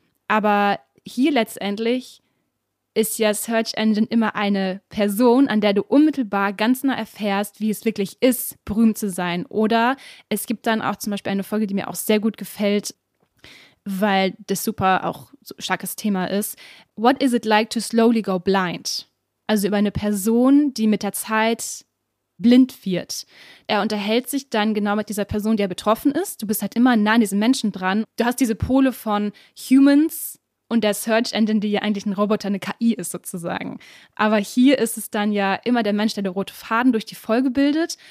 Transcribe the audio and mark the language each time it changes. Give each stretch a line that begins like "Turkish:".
German: Aber hier letztendlich ist ja Search Engine immer eine Person, an der du unmittelbar ganz nah erfährst, wie es wirklich ist, berühmt zu sein. Oder es gibt dann auch zum Beispiel eine Folge, die mir auch sehr gut gefällt, weil das super auch so ein starkes Thema ist.
English: What is it like to slowly go blind?
German: Also über eine Person, die mit der Zeit blind wird. Er unterhält sich dann genau mit dieser Person, die er betroffen ist. Du bist halt immer nah an diesem Menschen dran. Du hast diese Pole von Humans und der Search Engine, die ja eigentlich ein Roboter, eine KI ist sozusagen. Aber hier ist es dann ja immer der Mensch, der den roten Faden durch die Folge bildet.